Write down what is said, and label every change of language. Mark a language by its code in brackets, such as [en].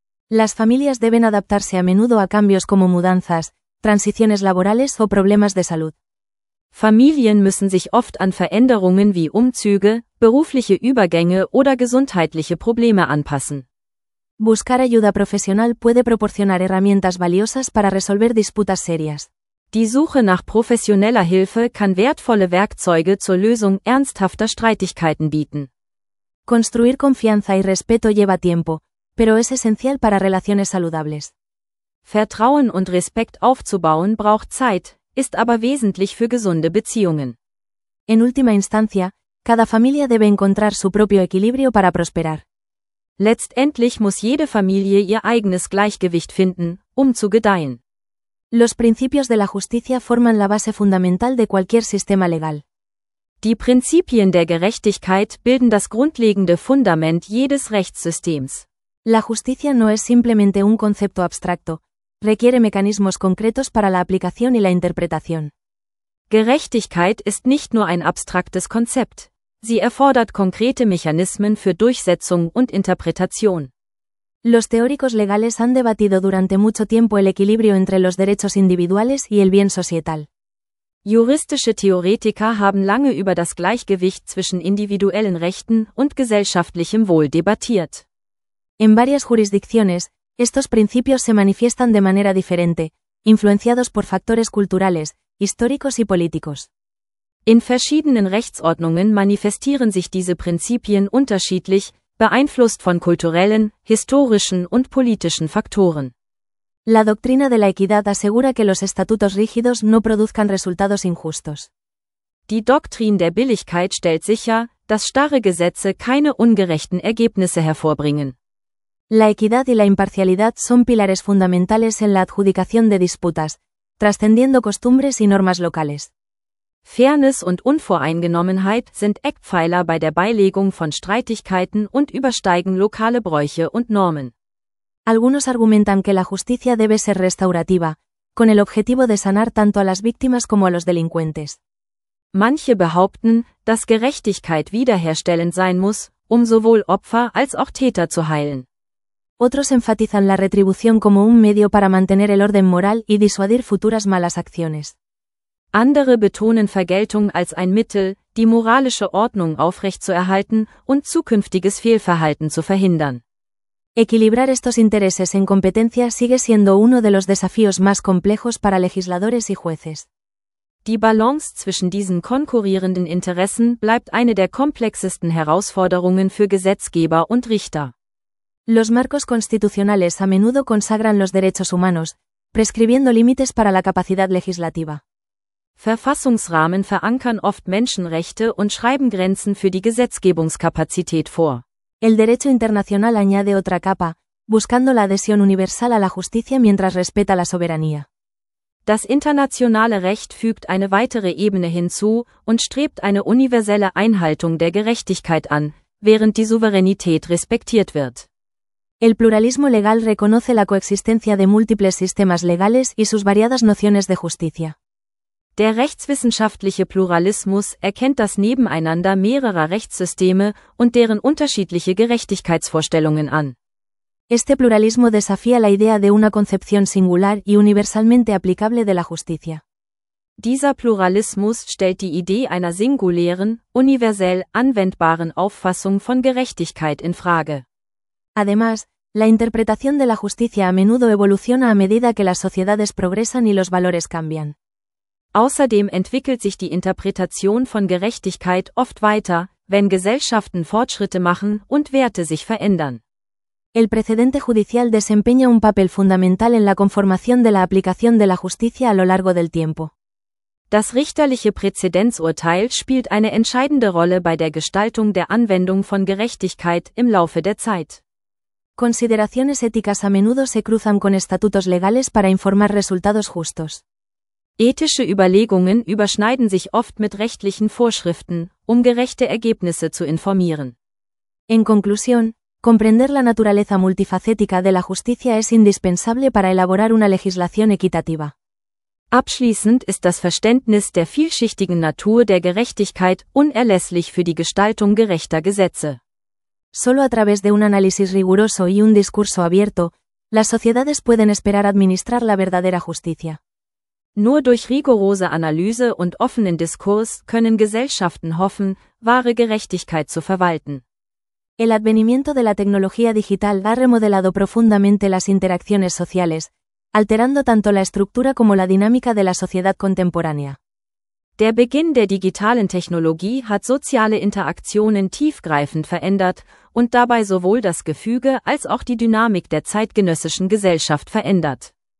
[es] Las familias deben adaptarse a menudo a cambios como mudanzas, transiciones laborales o problemas de salud. [de] Familien müssen sich oft an Veränderungen wie Umzüge, berufliche Übergänge oder gesundheitliche Probleme anpassen. [es] Buscar ayuda profesional puede proporcionar herramientas valiosas para resolver disputas serias. [de] Die Suche nach professioneller Hilfe kann wertvolle Werkzeuge zur Lösung ernsthafter Streitigkeiten bieten. [es] Construir confianza y respeto lleva tiempo, pero es esencial para relaciones saludables. [de] Vertrauen und Respekt aufzubauen braucht Zeit, ist aber wesentlich für gesunde Beziehungen. [es] En última instancia, cada familia debe encontrar su propio equilibrio para prosperar. [de] Letztendlich muss jede Familie ihr eigenes Gleichgewicht finden, um zu gedeihen. [es] Los principios de la justicia forman la base fundamental de cualquier sistema legal. [de] Die Prinzipien der Gerechtigkeit bilden das grundlegende Fundament jedes Rechtssystems. [es] La justicia no es simplemente un concepto abstracto. Requiere mecanismos concretos para la aplicación y la interpretación. [de] Gerechtigkeit ist nicht nur ein abstraktes Konzept. Sie erfordert konkrete Mechanismen für Durchsetzung und Interpretation. [es] Los teóricos legales han debatido durante mucho tiempo el equilibrio entre los derechos individuales y el bien societal. [de] Juristische Theoretiker haben lange über das Gleichgewicht zwischen individuellen Rechten und gesellschaftlichem Wohl debattiert. [es] En varias jurisdicciones, estos principios se manifiestan de manera diferente, influenciados por factores culturales, históricos y políticos. [de] In verschiedenen Rechtsordnungen manifestieren sich diese Prinzipien unterschiedlich, beeinflusst von kulturellen, historischen und politischen Faktoren. [es] La doctrina de la equidad asegura que los estatutos rígidos no produzcan resultados injustos. [de] Die Doktrin der Billigkeit stellt sicher, dass starre Gesetze keine ungerechten Ergebnisse hervorbringen. [es] La equidad y la imparcialidad son pilares fundamentales en la adjudicación de disputas, trascendiendo costumbres y normas locales. [de] Fairness und Unvoreingenommenheit sind Eckpfeiler bei der Beilegung von Streitigkeiten und übersteigen lokale Bräuche und Normen. [es] Algunos argumentan que la justicia debe ser restaurativa, con el objetivo de sanar tanto a las víctimas como a los delincuentes. [de] Manche behaupten, dass Gerechtigkeit wiederherstellend sein muss, um sowohl Opfer als auch Täter zu heilen. [es] Otros enfatizan la retribución como un medio para mantener el orden moral y disuadir futuras malas acciones. [de] Andere betonen Vergeltung als ein Mittel, die moralische Ordnung aufrechtzuerhalten und zukünftiges Fehlverhalten zu verhindern. [es] Equilibrar estos intereses en competencia sigue siendo uno de los desafíos más complejos para legisladores y jueces. [de] Die Balance zwischen diesen konkurrierenden Interessen bleibt eine der komplexesten Herausforderungen für Gesetzgeber und Richter. [es] Los marcos constitucionales a menudo consagran los derechos humanos, prescribiendo límites para la capacidad legislativa. [de] Verfassungsrahmen verankern oft Menschenrechte und schreiben Grenzen für die Gesetzgebungskapazität vor. [es] El derecho internacional añade otra capa, buscando la adhesión universal a la justicia mientras respeta la soberanía. [de] Das internationale Recht fügt eine weitere Ebene hinzu und strebt eine universelle Einhaltung der Gerechtigkeit an, während die Souveränität respektiert wird. [es] El pluralismo legal reconoce la coexistencia de múltiples sistemas legales y sus variadas nociones de justicia. [de] Der rechtswissenschaftliche Pluralismus erkennt das Nebeneinander mehrerer Rechtssysteme und deren unterschiedliche Gerechtigkeitsvorstellungen an. [es] Este pluralismo desafía la idea de una concepción singular y universalmente aplicable de la justicia. [de] Dieser Pluralismus stellt die Idee einer singulären, universell anwendbaren Auffassung von Gerechtigkeit in Frage. [es] Además, la interpretación de la justicia a menudo evoluciona a medida que las sociedades progresan y los valores cambian. [de] Außerdem entwickelt sich die Interpretation von Gerechtigkeit oft weiter, wenn Gesellschaften Fortschritte machen und Werte sich verändern. [es] El precedente judicial desempeña un papel fundamental en la conformación de la aplicación de la justicia a lo largo del tiempo. [de] Das richterliche Präzedenzurteil spielt eine entscheidende Rolle bei der Gestaltung der Anwendung von Gerechtigkeit im Laufe der Zeit. [es] Consideraciones éticas a menudo se cruzan con estatutos legales para informar resultados justos. [de] Ethische Überlegungen überschneiden sich oft mit rechtlichen Vorschriften, um gerechte Ergebnisse zu informieren. [es] En conclusión, comprender la naturaleza multifacética de la justicia es indispensable para elaborar una legislación equitativa. [de] Abschließend ist das Verständnis der vielschichtigen Natur der Gerechtigkeit unerlässlich für die Gestaltung gerechter Gesetze. [es] Solo a través de un análisis riguroso y un discurso abierto, las sociedades pueden esperar administrar la verdadera justicia. [de] Nur durch rigorose Analyse und offenen Diskurs können Gesellschaften hoffen, wahre Gerechtigkeit zu verwalten. [es] El advenimiento de la tecnología digital ha remodelado profundamente las interacciones sociales, alterando tanto la estructura como la dinámica de la sociedad contemporánea. [de] Der Beginn der digitalen Technologie hat soziale Interaktionen tiefgreifend verändert und dabei sowohl das Gefüge als auch die Dynamik der zeitgenössischen Gesellschaft verändert.